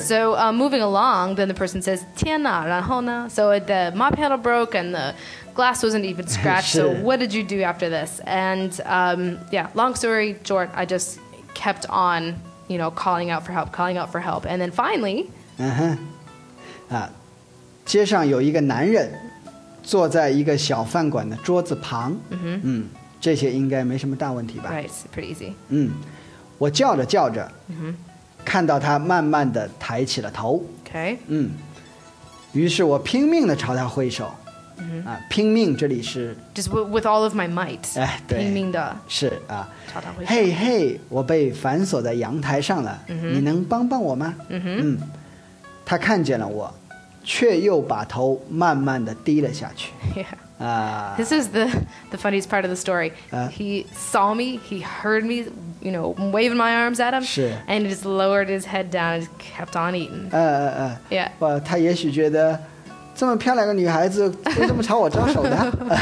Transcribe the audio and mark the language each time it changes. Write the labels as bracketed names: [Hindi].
[English] So、moving along, then the person says, [Chinese] 天哪然后呢 [English] So the mop handle broke and the glass wasn't even scratched. So what did you do after this? And、yeah, long story short, I just kept on, you know, calling out for help, calling out for help. And then finally,、 uh-huh. [Chinese] 街上有一个男人坐在一个小饭馆的桌子旁、 mm-hmm. 嗯、这些应该没什么大问题吧 [English] Right, pretty easy.、 [Chinese] 嗯、我叫着叫着、 mm-hmm. 看到他慢慢地抬起了头 [English] okay. [Chinese] 嗯，于是我拼命地朝他挥手、 mm-hmm. 啊、拼命这里是 [English] Just with all of my might、 [Chinese] 哎、对拼命地是、啊、朝他挥手 hey, hey, 我被反锁在阳台上了、 mm-hmm. 你能帮帮我吗、 mm-hmm. 嗯、他看见了我却又把头慢慢地低了下去、 [English] yeah. This is the funniest part of the story. He saw me, he heard me, you know, waving my arms at him, and he just lowered his head down and kept on eating. Yeah. [Chinese] Well, 他也许觉得这么漂亮个女孩子为什么朝我招手呢？